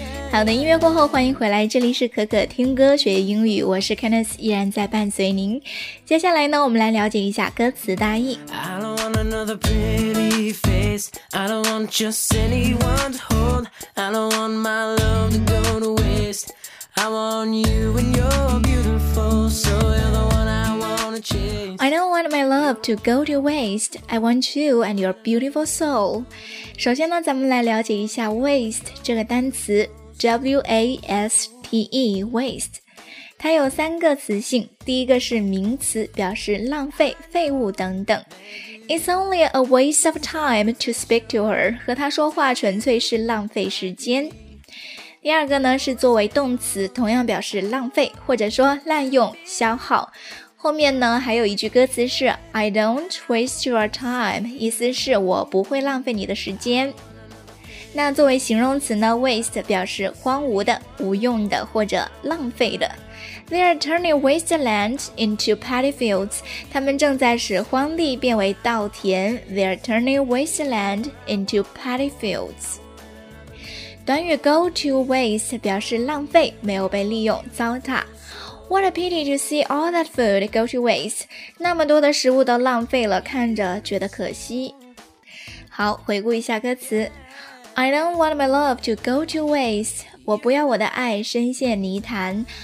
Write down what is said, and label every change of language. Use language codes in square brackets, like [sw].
[zh] 好的，音乐过后欢迎回来，这里是可可听歌学英语，我是 Kenneth， 依然在伴随您。接下来呢，我们来了解一下歌词大意。 [en] I don't want another pretty face, I don't want just anyone to hold, I don't want my love to go to waste, I want you and you're beautiful, so you're the one I wanna chase. I don't want my love to go to waste, I want you and your beautiful soul. [zh] 首先呢，咱们来了解一下 waste 这个单词，W-A-S-T-E, waste. 它有三个词性，第一个是名词，表示浪费、废物等等。 [en] It's only a waste of time to speak to her. [zh] 和她说话纯粹是浪费时间。第二个呢，是作为动词，同样表示浪费，或者说滥用、消耗。后面呢，还有一句歌词是 [en] I don't waste your time. [zh] 意思是我不会浪费你的时间。那作为形容词呢， waste 表示荒芜的、无用的或者浪费的。 [en] They are turning wasteland into paddy fields. [zh] 他们正在使荒地变为稻田。 [en] They are turning wasteland into paddy fields. [zh] 短语 go to waste 表示浪费、没有被利用、糟蹋。 [en] What a pity to see all that food go to waste. [zh] 那么多的食物都浪费了，看着觉得可惜。好，回顾一下歌词。 [en] I don't want my love to go to waste. [zh] 我不要我的爱深陷泥潭。